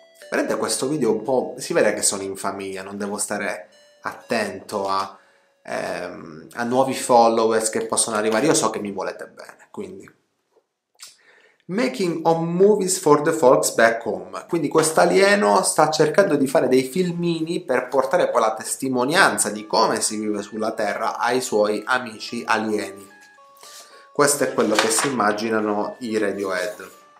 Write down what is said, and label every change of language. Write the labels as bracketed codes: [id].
[it] Vedete questo video un po'? Si vede che sono in famiglia, non devo stare attento a nuovi followers che possono arrivare. Io so che mi volete bene, quindi. [en] Making home movies for the folks back home. [it] Quindi questo alieno sta cercando di fare dei filmini per portare poi la testimonianza di come si vive sulla Terra ai suoi amici alieni. Questo è quello che si immaginano i Radiohead.